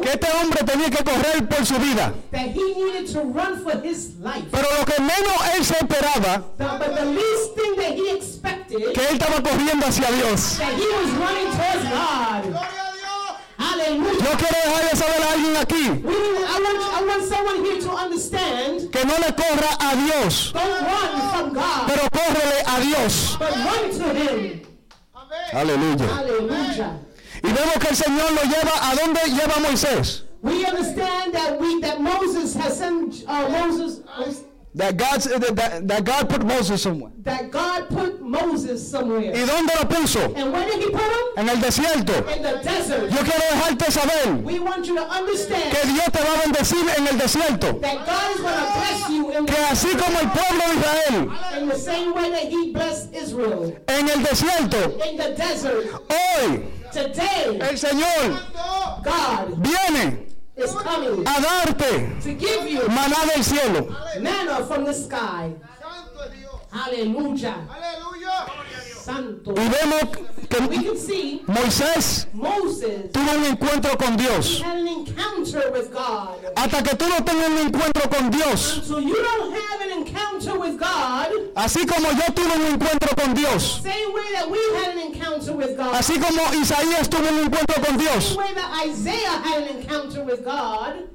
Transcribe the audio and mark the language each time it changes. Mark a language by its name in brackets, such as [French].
[Spanish] que este hombre tenía que correr por su vida. [English] That he needed to run for his life. [Spanish] Pero lo que menos él se esperaba, [English] but the least thing that he expected, [Spanish] que él estaba corriendo hacia Dios. [English] That he was running towards God. [Spanish] Gloria a Dios. [English] Hallelujah. [Spanish] Yo quiero dejarle saber a alguien aquí, [English] I want someone here to understand, [Spanish] que no le corra a Dios. [English] Don't run from God. [Spanish] Pero córrele a Dios. [English] But run to him. [Spanish] Aleluya. Aleluya. Y vemos que el Señor lo lleva a donde lleva a Moisés. [English] We understand that that Moses has sent Moses. That God put Moses somewhere. That God put Moses somewhere. [Spanish] ¿Y dónde lo puso? [English] And where did he put him? [Spanish] En el desierto. [English] In the desert. [Spanish] Yo quiero dejarte saber, [English] we want you to understand, [Spanish] que Dios te va a bendecir en el desierto. [English] That God is going to bless you in [Spanish] que así [English] desert. [Spanish] Como el pueblo de Israel, [English] in the same way that he blessed Israel. [Spanish] En el desierto. [English] In the desert. [Spanish] Hoy. [English] Today. [Spanish] El Señor. [English] God. [Spanish] Viene. [English] Is coming [Spanish] a darte, [English] to give you [Spanish] maná del cielo, [English] manna from the sky. [Spanish] Aleluya. Santo. Y vemos que [English] we can see [Spanish] Moisés tuvo un encuentro con Dios. [English] Had an encounter with God. [Spanish] Hasta que tú no tengas un encuentro con Dios, [English] until you don't have an encounter with God, [Spanish] así como yo tuve un encuentro con Dios, [English] the same way that we had an encounter with God, [Spanish] así como Isaías tuvo un encuentro con Dios, [English] the same way that Isaiah had an encounter with God,